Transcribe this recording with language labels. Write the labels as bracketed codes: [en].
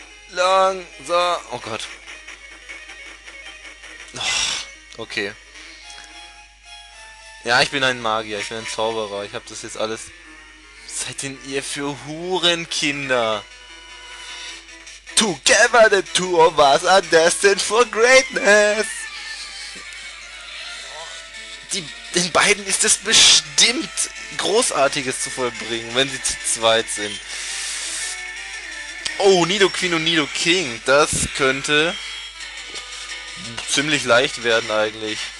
[de] Langsam. Oh Gott. Oh, okay. Ja, ich bin ein Magier, ich bin ein Zauberer. Ich habe das jetzt alles. Was seid denn ihr für Hurenkinder? [en] Together the two of us are destined for greatness. [de] Den beiden ist es bestimmt Großartiges zu vollbringen, wenn sie zu zweit sind. Oh, Nidoqueen und Nidoking. Das könnte ziemlich leicht werden eigentlich.